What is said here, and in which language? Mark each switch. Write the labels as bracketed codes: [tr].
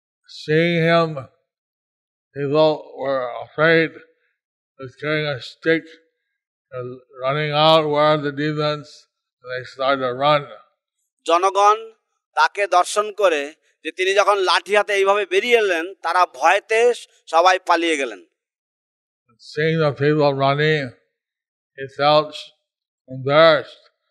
[en] Seeing him, people were afraid. He's carrying a stick, running out. Where are the demons? And they started to run. [bn] Janagon take darshan kore যে তিনি যখন লাঠি হাতে এইভাবে বেরিয়ে এলেন তারা ভয়তে সবাই পালিয়ে গেলেন [en] seeing the people running, he felt embarrassed.